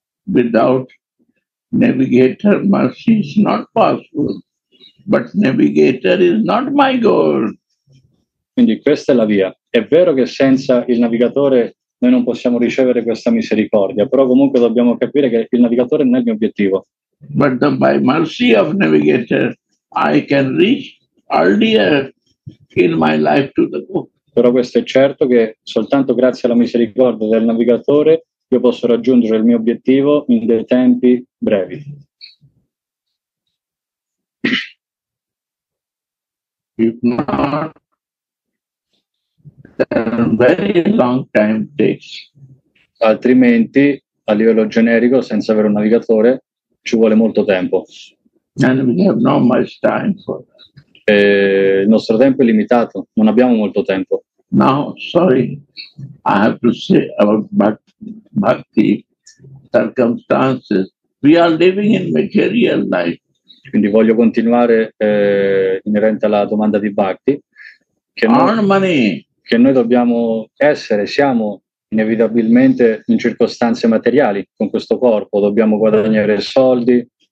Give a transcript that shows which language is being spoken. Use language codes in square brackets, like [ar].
[en] Without navigator, mercy is not possible. But navigator is not my goal. [it] Quindi questa è la via. È vero che senza il navigatore noi non possiamo ricevere questa misericordia, però comunque dobbiamo capire che il navigatore non è il mio obiettivo. [en] But the, by mercy of navigator, I can reach earlier in my life to the goal. [it] Però questo è certo che soltanto grazie alla misericordia del navigatore io posso raggiungere il mio obiettivo in dei tempi brevi. [en] If not, then very long time takes. [it] Altrimenti, a livello generico, senza avere un navigatore, ci vuole molto tempo. [en] And we have not much time for that. [it] Il nostro tempo è limitato, non abbiamo molto tempo. [en] No, sorry, I have to say about bhakti circumstances. We are living in material life. [it] Quindi voglio continuare inerente alla domanda di bhakti. Che earn noi, money. Che noi dobbiamo essere, siamo inevitabilmente in circostanze materiali con questo corpo, dobbiamo guadagnare soldi.